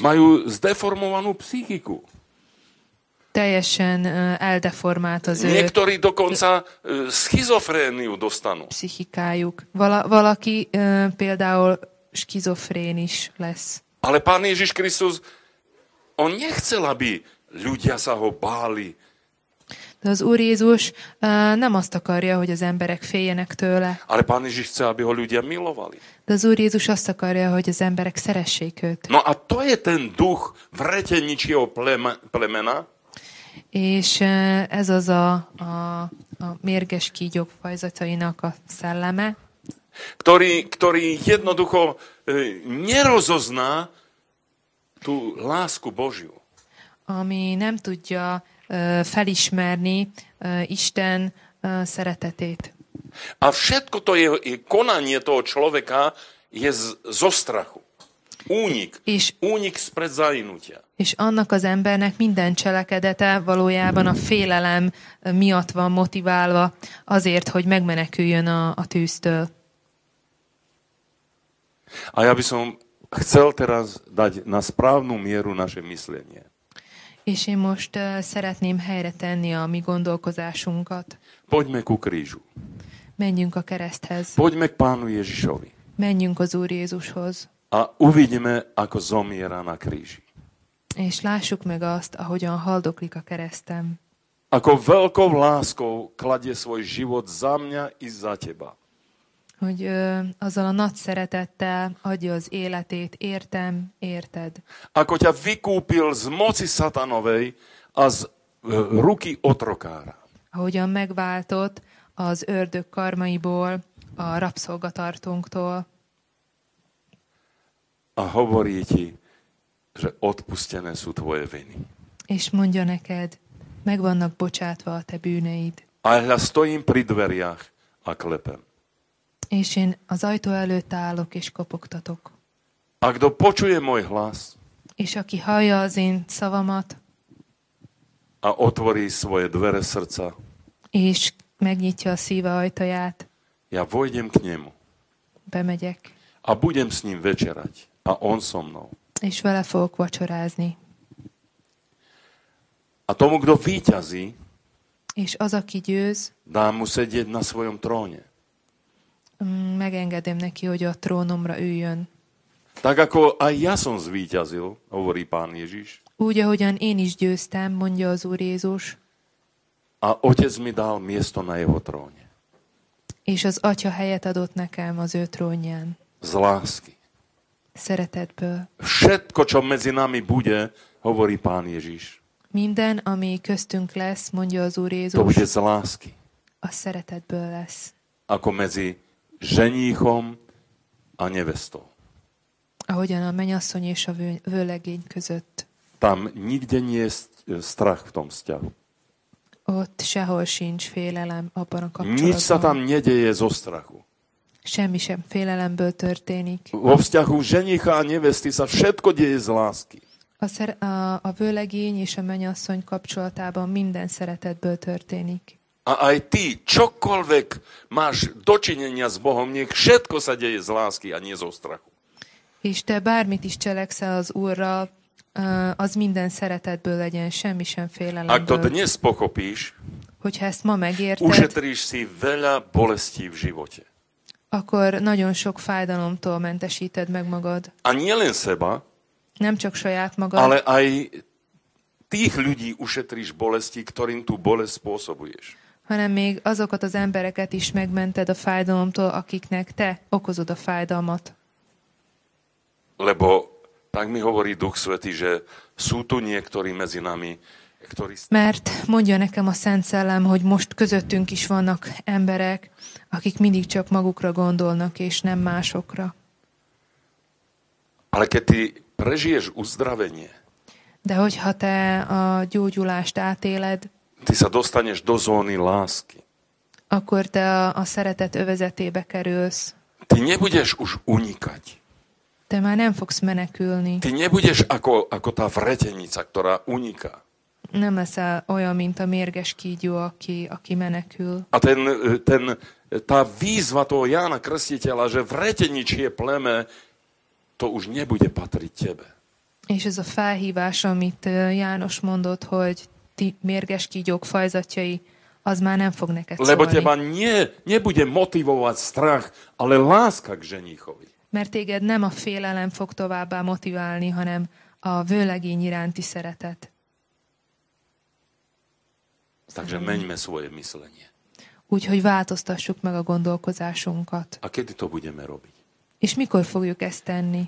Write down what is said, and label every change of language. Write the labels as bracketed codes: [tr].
[sk] Majú zdeformovanú pszichiku. [hu] Teljesen eldeformált az [sk] niektorí dokonca schizofréniu dostanú. [hu] Psychikájuk. Valaki például schizofrén is lesz. [sk] Ale Pán Ježiš Kristus, on nechcel, aby ľudia sa ho báli. [hu] De az Úr Jézus nem azt akarja, hogy az emberek féljenek tőle. [sk] Ale Pán Ježiš chce, aby ho ľudia milovali. [hu] De az Úr Jézus azt akarja, hogy az emberek szeressék őt. [sk] No a to je ten duch vreteničieho plemena. [hu] És ez az a mérges kígyók fajzatainak a szelleme, [sk] ktorý jednoducho nerozozná tú lásku Božiu. [hu] Ami nem tudja felismerni Isten szeretetét. [sk] A všetko to je konanie toho človeka je zo strachu. Únik spred zahynutia. [hu] És annak az embernek minden cselekedete valójában a félelem miatt van motiválva azért, hogy megmeneküljön a tűztől. [sk] A ja by som chcel teraz dať na správnu mieru naše myslenie. [hu] És én most szeretném helyre tenni a mi gondolkozásunkat. [sk] Poďme ku krížu. [hu] Menjünk a kereszthez. [sk] Poďme k Pánu Ježišovi. [hu] Menjünk az Úr Jézushoz. [sk] A uvidíme, ako zomiera na kríži. [hu] És lássuk meg azt, ahogyan haldoklik a keresztem. [sk] Ako veľkou láskou kladie svoj život za mňa i za teba. [hu] Hogy azzal a nagy szeretettel adja az életét, értem, érted. [sk] Ako ťa vykúpil z moci satanovej a z ruky otrokára. [hu] Ahogyan megváltott az ördög karmaiból, a rabszolgatartónktól. [sk] A hovorí ti, že odpustené sú tvoje viny. [hu] És mondja neked, meg vannak bocsátva a te bűneid. [sk] A ja stojím pri dveriach a klepem. [hu] És én az ajtó előtt állok és kopogtatok. [sk] A kto počuje môj hlas. [hu] És aki hallja az én szavamat. [sk] A otvorí svoje dvere srdca. [hu] És megnyitja a szíve ajtaját. [sk] Ja vojdem k nemu. [hu] Bemegyek. [sk] A budem s ním večerať. A on so mnou. [hu] És vele fogok vacsorázni. [sk] A tomu, kdo víťazí, [hu] és az, aki győz, [sk] dám mu sedieť na svojom tróne. [hu] Megengedem neki, hogy a trónomra üljön. [sk] Tak ako aj ja som zvíťazil, hovorí Pán Ježiš. [hu] Úgy, ahogyan én is győztem, mondja az Úr Jézus. [sk] A Otec mi dal miesto na jeho tróne. [hu] És az Atya helyet adott nekem az ő trónján. [sk] Z lásky. [hu] szeretetből. [sk] Všetko, čo medzi nami bude, hovorí Pán Ježiš. [hu] Minden, ami köztünk lesz, mondja az Úr Jézus. [sk] To bude z lásky. [hu] A szeretetből lesz. [sk] Ako medzi ženíchom a nevestou. [hu] Ahogyan a mennyasszony és a vőlegény között. [sk] Tam nikde nie je strach v tom vzťahu. [hu] Ott sehol sincs félelem abban a kapcsolatban. [sk] Nic sa tam nedeje zo strachu. [hu] Semmi sem félelemből történik. [sk] Vo vzťahu ženicha a nevesty sa všetko deje z lásky. [hu] A vőlegény és a mennyasszony kapcsolatában minden szeretetből történik. [sk] A aj ty, čokoľvek máš dočinenia s Bohom, nech všetko sa deje z lásky a nie zo strachu. [hu] És te bármit is cselekszel az Úrral, az minden szeretetből legyen, semmi sem félelemből. [sk] Ak to dnes pochopíš, [hu] hogyha ezt ma megérted, [sk] ušetríš si veľa bolestí v živote. [hu] Akkor nagyon sok fájdalomtól mentesíted meg magad. [sk] A nielen seba, [hu] nem csak saját magad, [sk] ale aj tých ľudí ušetríš bolestí, ktorým tú bolest spôsobuješ. [hu] Hanem még azokat az embereket is megmented a fájdalomtól, akiknek te okozod a fájdalmat. [sk] Lebo tak mi hovorí Duch Svätý, že sú tu niektorí medzi nami, ktorí... [hu] Mert mondja nekem a Szent Szellem, hogy most közöttünk is vannak emberek, akik mindig csak magukra gondolnak, és nem másokra. [sk] Ale keď ty prežiješ uzdravenie, [hu] de hogyha te a gyógyulást átéled, [sk] ty sa dostaneš do zóny lásky, [hu] akkor te a szeretet övezetébe kerülsz. [sk] Ty nebudeš už unikať. [hu] Te már nem fogsz menekülni. [sk] Ty nebudeš ako tá vretenica, ktorá uniká. [hu] Nem leszel olyan, mint a mérges kígyó, aki menekül. [sk] A tá výzva toho Jána Krstiteľa, že vreteničie pleme, to už nebude patriť tebe. [hu] És ez a felhívás, amit János mondott, hogy ti mérges kígyók fajzatjai, az már nem fog neked szólni. [sk] Lebo teba nebude motivovať strach, ale láska k ženíchovi. [hu] Mert téged nem a félelem fog továbbá motiválni, hanem a vőlegény iránti szeretet. [sk] Takže meňme svoje myslenie. [hu] Úgyhogy változtassuk meg a gondolkozásunkat. [sk] A kedy to budeme robiť? [hu] És mikor fogjuk ezt tenni?